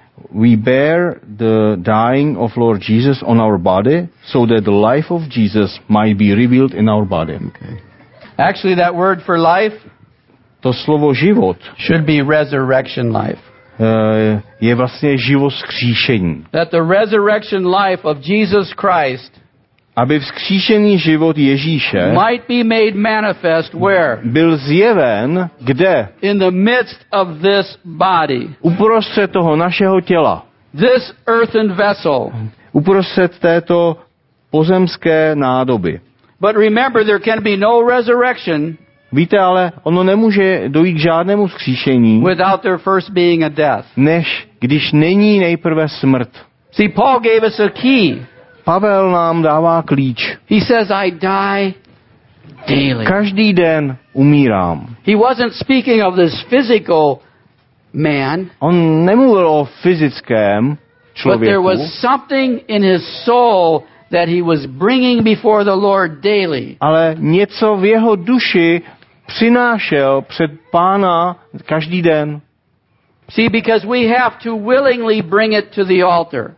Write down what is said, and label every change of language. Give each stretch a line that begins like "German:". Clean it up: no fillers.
English: We bear the dying of Lord Jesus on our body so that the life of Jesus might be revealed in our body. Okay. Actually, that word for life,
Czech: to slovo život,
English: should be resurrection life.
Czech: Je vlastně život vzkříšení.
English: That the resurrection life of Jesus Christ,
Czech: aby vzkříšený život Ježíše,
English: might be made manifest where?
Czech: Byl zjeven, kde?
English: In the midst of this body.
Czech: Uprostřed toho našeho těla.
English: This earthen vessel.
Czech: uprostřed této pozemské nádoby.
English: But remember, there can be no resurrection.
Czech: Víte, ale ono nemůže dojít k žádnému vzkříšení,
English: without there first being a death.
Czech: Než když není nejprve smrt.
English: See, Paul gave us a key.
Czech: Pavel nám dává klíč.
English: He says, I die daily.
Czech: Každý den umírám.
English: He wasn't speaking of this physical man.
Czech: On nemluvil o fyzickém člověku.
English: But there was something in his soul that he was bringing before the Lord daily.
Czech: Ale něco v jeho duši přinášel před Pána každý den.
English: See, because we have to willingly bring it to the altar.